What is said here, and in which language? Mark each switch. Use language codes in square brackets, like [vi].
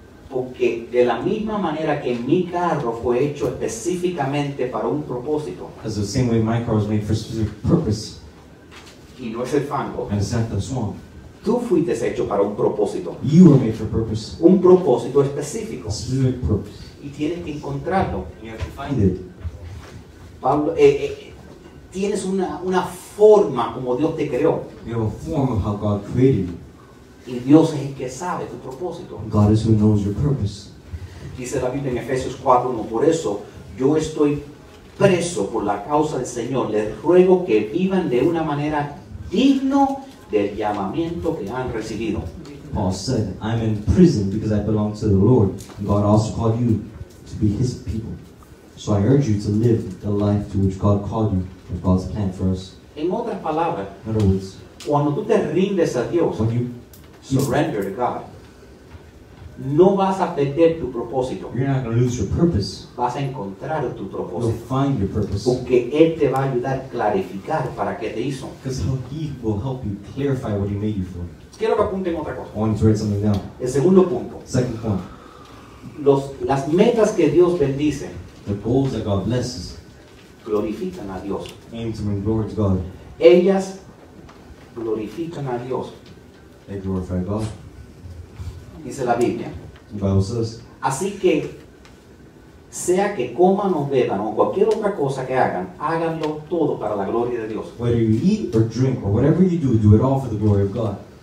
[es] Porque de la misma manera que mi carro fue hecho específicamente para un propósito. [en] As the same way my car was made for a specific purpose. [es] Y no es el fango. [en] And it's not the swamp. [es] Tú fuiste hecho para un propósito. [en] You were made for a purpose. [es] Un propósito específico. [en] A specific purpose. [es] Y tienes que encontrarlo. [en] And you have to find it. [es] Pablo, tienes una forma como Dios te creó. [en] You have a form of how God created you. [es] Y Dios es el que sabe tu propósito. [en] God is who knows your purpose. [es] Dice la Biblia en Efesios 4:1, por eso yo estoy preso por la causa del Señor. Les ruego que vivan de una manera digno del llamamiento que han recibido. [en] Paul said, I'm in prison because I belong to the Lord. God also called you to be his people. So I urge you to live the life to which God called you, of God's plan for us. [es] En otras palabras, [en] in other words, [es] cuando tú te rindes a Dios, [en] when you surrender to God. [es] No vas a perder tu propósito. [en] You're not going to lose your purpose. [es] Vas a encontrar tu propósito. [en] You'll find your purpose. [es] Porque Él te va a ayudar a clarificar para qué te hizo. [en] Because He will help you clarify what He made you for. [es] Quiero que apunten otra cosa. [en] I want to write something down. [es] El segundo punto. [en] Second point. [es] Las metas que Dios bendice. [en] The goals that God blesses. [es] Glorifican a Dios. [en] Aim to bring glory to God. [es] Ellas glorifican a Dios. [en] They glorify God. [es] Dice la Biblia. [en] The Bible says. [es] Así que Sea que coman o beban o cualquier otra cosa que hagan, háganlo todo para la gloria de Dios. [en] Whether you eat or drink or whatever you do, do it all for the glory of God.